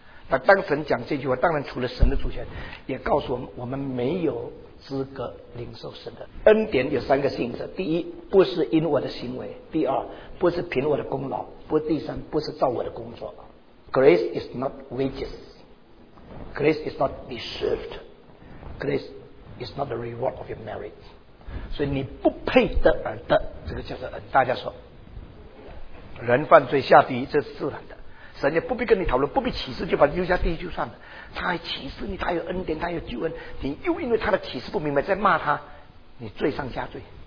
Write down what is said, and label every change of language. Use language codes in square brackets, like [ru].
[zh] 那当神讲这句话，当然除了神的主权，也告诉我们，我们没有资格领受神的恩典。有三个性质：第一，不是因我的行为；第二，不是凭我的功劳；不，第三，不是照我的工作。 [en] Grace is not wages. Grace is not deserved. Grace is not the reward of your merit. [zh] 所以你不配得而得，这个叫做恩。大家说。人犯罪下地狱，这是自然的。神也不必跟你讨论，不必启示，就把你丢下地狱就算了。他还启示你，他有恩典，他有救恩，你又因为他的启示不明白，在骂他，你罪上加罪。